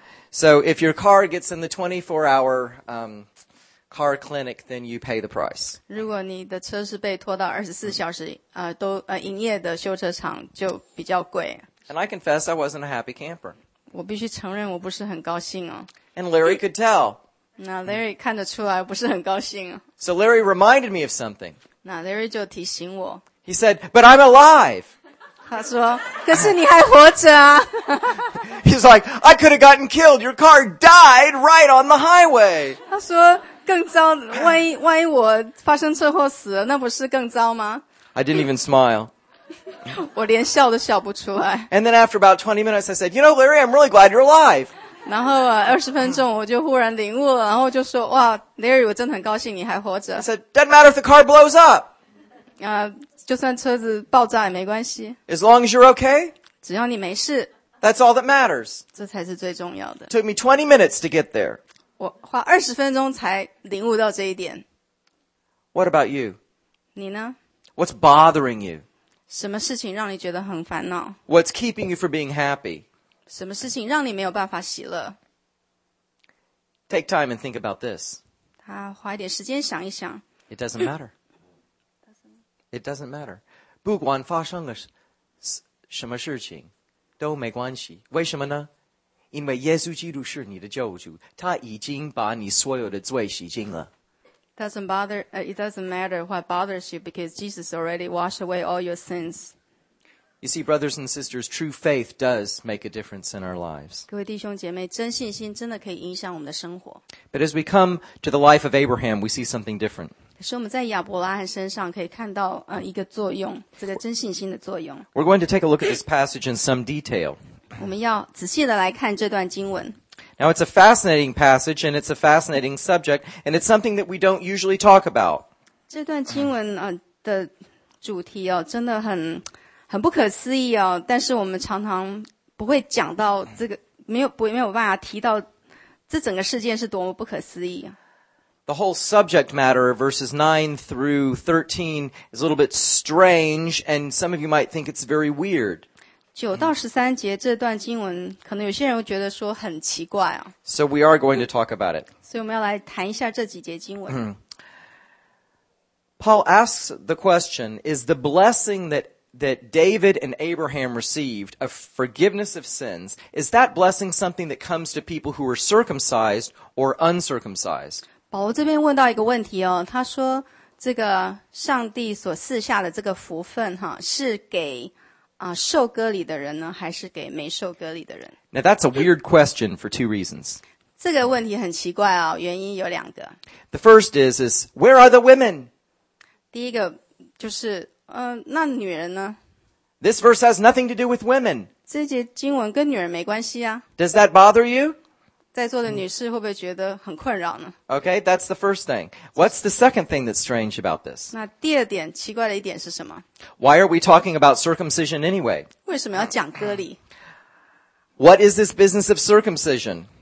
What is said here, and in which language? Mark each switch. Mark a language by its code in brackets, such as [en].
[en] So if your car gets in the 24-hour car clinic, then you pay the price. [zh] 如果你的车是被拖到24小时营业的修车厂就比较贵。 [en] And I confess I wasn't a happy camper. [zh] 我必须承认我不是很高兴啊。 [en] And Larry could tell. [zh] 那 Larry 看得出来不是很高兴啊。 [en] So Larry reminded me of something. [zh] 那 Larry 就提醒我。 [en] He said, but I'm alive! [zh] 他说可是你还活着啊。 [en] He's like, I could have gotten killed. Your car died right on the highway. [zh] 他说更糟，万一我发生车祸死了，那不是更糟吗？ [en] I didn't even smile. [zh] 我连笑都笑不出来。 [en] And then after about 20 minutes, I said, you know, Larry, I'm really glad you're alive. [zh] 然后20分钟我就忽然领悟了，然后就说，哇， Larry, 我真的很高兴你还活着。 [en] I said, doesn't matter if the car blows up. [zh] 就算车子爆炸也没关系。 [en] As long as you're okay. [zh] 只要你没事。 [en] That's all that matters. [zh] 这才是最重要的。 [en] Took me 20 minutes to get there. [zh] 我花二十分钟才领悟到这一点。 [en] What about you? [zh] 你呢？ [en] What's bothering you? [zh] 什么事情让你觉得很烦恼？ [en] What's keeping you from being happy? [zh] 什么事情让你没有办法喜乐？ [en] Take time and think about this. [zh] 他花一点时间想一想。 [en] It doesn't matter. It doesn't matter. [zh] 不管发生了什么事情都没关系。为什么呢？因为耶稣基督是你的救主，他已经把你所有的罪洗净了。 [en] It doesn't matter what bothers you because Jesus already washed away all your sins. You see, brothers and sisters, true faith does make a difference in our lives. [zh] 各位弟兄姐妹，真信心真的可以影响我们的生活。 [en] But as we come to the life of Abraham, we see something different. [zh] 可是我们在亚伯拉罕身上可以看到一个作用，这个真信心的作用。 [en] We're going to take a look at this passage in some detail. [zh] 我们要仔细的来看这段经文。 [en] Now it's a fascinating passage and it's a fascinating subject and it's something that we don't usually talk about. [zh] 这段经文的主题哦真的很不可思议哦，但是我们常常不会讲到这个，没有办法提到这整个事件是多么不可思议。 [en] The whole subject matter of verses 9 through 13 is a little bit strange and some of you might think it's very weird. [zh] 九到十三节这段经文，可能有些人会觉得说很奇怪啊。 [en] So we are going to talk about it. [zh] 所以我们要来谈一下这几节经文。 [en] Paul asks the question: Is the blessing that David and Abraham received of forgiveness of sins, is that blessing something that comes to people who are circumcised or uncircumcised? [zh] 保罗这边问到一个问题哦，他说这个上帝所赐下的这个福分哈，是给受割礼的人呢，还是给没受割礼的人？ [en] Now that's a weird question for two reasons. [zh] 这个问题很奇怪哦，原因有两个。 [en] The first is where are the women? [zh] 第一个就是那女人呢？ [en] This verse has nothing to do with women. [zh] 这节经文跟女人没关系啊。 [en] Does that bother you? [zh] 在座的女士会不会觉得很困扰呢？ [en] Okay, that's the first thing. What's the second thing that's strange about this? [zh] 那第二点奇怪的一点是什么？ [en] Why are we talking about circumcision anyway? [zh] 为什么要讲割礼？ [en] What is this business of circumcision?